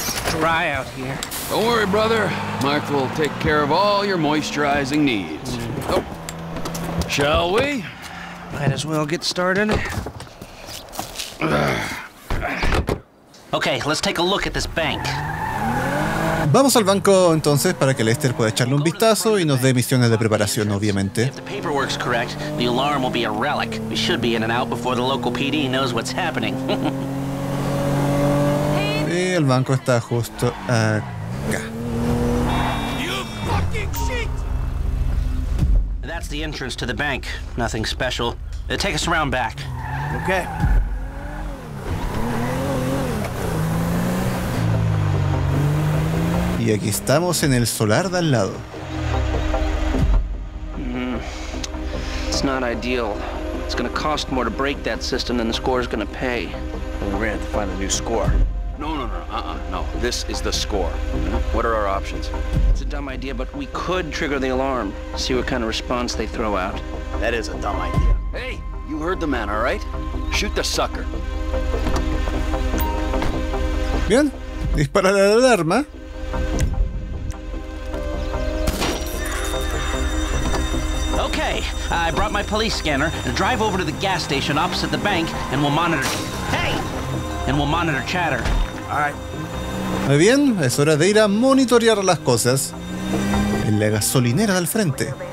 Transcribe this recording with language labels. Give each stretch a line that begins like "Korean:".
English: Dry out here. Don't worry, brother. Mike will take care of all your moisturizing needs. Oh. Shall we? Might as well get started. Okay, let's take a look at this bank.
Spanish: Vamos al banco entonces para que Lester pueda echarle un vistazo y nos dé misiones de preparación, obviamente.
English: If the paperwork's correct, the alarm will be a relic. We should be in and out before the local PD knows what's happening.
Spanish: Y el banco está justo acá.
English: You fucking shit! That's the entrance to the bank. Nothing special. Take us around back. Okay.
Spanish: Y aquí estamos en el solar de al lado.
English: It's not ideal. It's gonna cost more to break that system than the score is gonna pay. We're gonna have to find a new score. No. This is the score. What are our options? It's a dumb idea, but we could trigger the alarm. See what kind of response they throw out. That is a dumb idea. Hey, you heard the man, all right? Shoot the sucker.
Spanish: Bien. Dispara la alarma.
English: Okay, I brought my police scanner. Drive over to the gas station opposite the bank, and we'll monitor... Hey! And we'll monitor chatter.
Spanish: Muy bien, es hora de ir a monitorear las cosas en la gasolinera del frente.